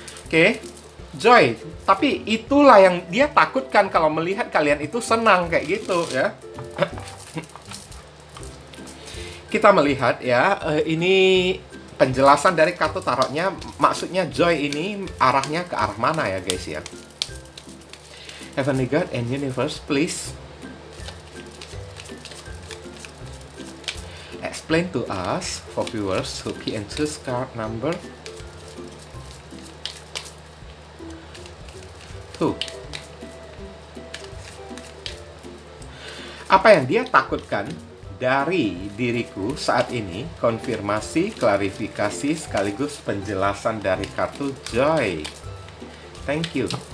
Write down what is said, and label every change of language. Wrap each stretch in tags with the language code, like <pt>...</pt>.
<id>Oke, joy, tapi itulah yang dia takutkan kalau melihat kalian itu senang kayak gitu ya. Kita melihat ya, ini penjelasan dari kartu tarotnya, maksudnya joy ini arahnya ke arah mana ya guys ya.</id> <en>Heavenly God and Universe, please explain to us, for viewers who key and choose card number 2.</en> <id>Apa yang dia takutkan dari diriku saat ini, konfirmasi, klarifikasi, sekaligus penjelasan dari kartu joy.</id> <en>Thank you.</en>